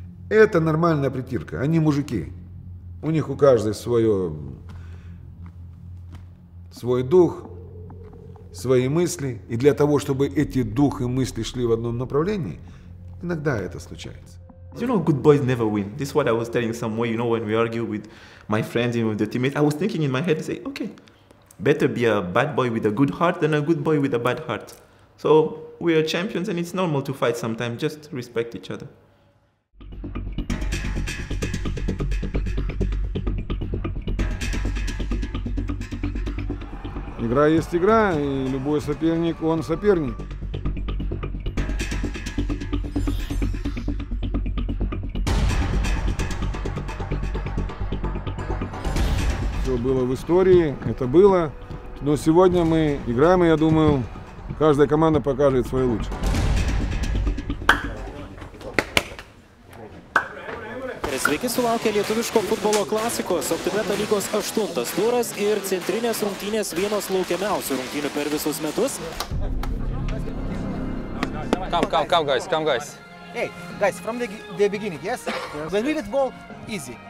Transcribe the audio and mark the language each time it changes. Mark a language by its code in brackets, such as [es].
[ru] Это нормальная притирка. Они мужики. У них у каждой свой дух, свои мысли. И для того, чтобы эти дух и мысли шли в одном направлении, иногда это случается. [en] You know, good boys never win. This is what I was telling some way, you know, when we argue with my friends and with the teammates. I was thinking in my head, say, okay. Better be a bad boy with a good heart than a good boy with a bad heart. So we are champions and it's normal to fight sometimes, just respect each other. [ru] Игра есть игра, и любой соперник, он соперник. Было в истории, это было. Но сегодня мы играем, и я думаю, каждая команда покажет свое лучшее. [lt] Sveiki sulaukė lietuviško futbolo klasikos, Subtitrai lygos 8-as turas ir centrinės rungtynės vienos laukiamiausių rungtynių per visus metus. [en] Come guys. Hey, guys, from the beginning, yes? When we with ball, easy.